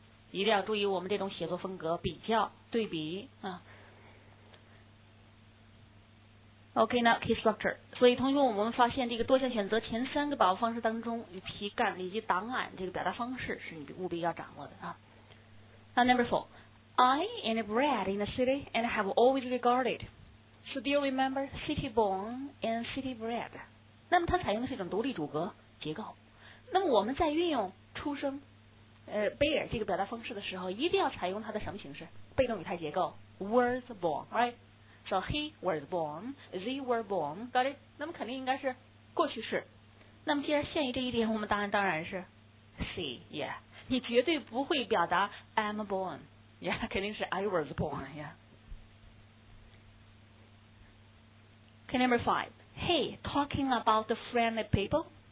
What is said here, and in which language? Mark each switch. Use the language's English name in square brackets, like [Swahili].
[Chinese] 一定要注意我们这种写作风格，比较、对比啊。 [English] OK, now key structure. [Chinese] 所以同学们，我们发现这个多项选择前三个把握方式当中，题干以及档案这个表达方式是你务必要掌握的啊。 [English] Now, number four, I am bred in the city and have always regarded. Still remember, city born and city bred. [Chinese] 那么它采用的是一种独立主格结构。那么我们在运用出生、bear 这个表达方式的时候，一定要采用它的什么形式？被动语态结构 ， [English] was born, right? So he was born, they were born, got it? [Chinese] 那么肯定应该是过去式。那么既然限于这一点，我们答案当然是 C, yeah. 你绝对不会表达 [English] I'm born, [Chinese] yeah, 肯定是 [English] I was born, [Chinese] yeah. [English] Okay, number five. Hey, talking about the friendly people?